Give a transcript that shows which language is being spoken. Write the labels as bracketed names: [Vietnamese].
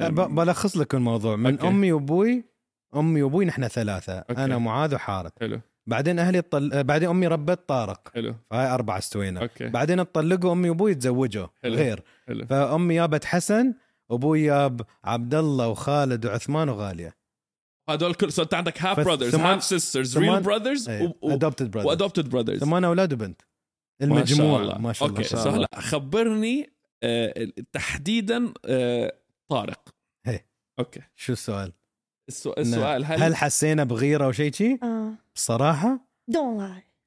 [Arabic] بلخص لك الموضوع من okay. أمي وأبوي نحن 3 okay. أنا معاذ وحارث. حلو. بعدين أهلي بعدين أمي ربت طارق. حلو. فهاي 4 استوينا. [English] Okay. Okay. [Arabic] بعدين اتطلقوا أمي وأبوي تزوجوا. حلو. غير. حلو. فأمي يابت حسن، أبوي ياب عبد الله وخالد وعثمان وغالية. هذول كل صرت عندك [English] half brothers half sisters real brothers adopted brothers adopted brothers [Arabic] ثمان أولاد وبنت المجموع. ما شاء الله. ما شاء الله. خبرني تحديدا طارق. هي. أوكي. شو السؤال؟ السؤال هل حسينا بغيرة أو شيء شيء؟ بصراحة. [English] don't lie.